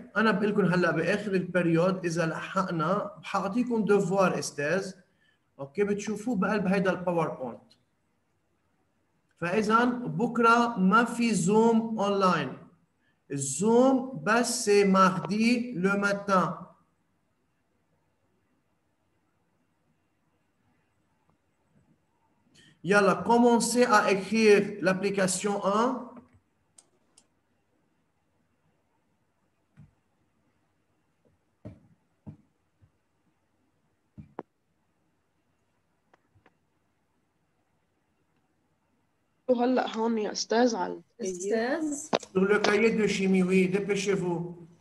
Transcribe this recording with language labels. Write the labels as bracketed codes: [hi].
[ar] انا بقول لكم هلا باخر البريود اذا لحقنا بحاعطيكم دوفوار استاذ، اوكي، بتشوفوه بقلب هيدا الباور بوينت. فاذا بكره ما في زوم اونلاين، [fr] Zoom, ben c'est mardi le matin. Yalla, commencez à écrire l'application 1. [ar] وهلا هون يا استاذ على الكيه. استاذ [fr] Sur le cahier de chimie, oui, dépêchez-vous.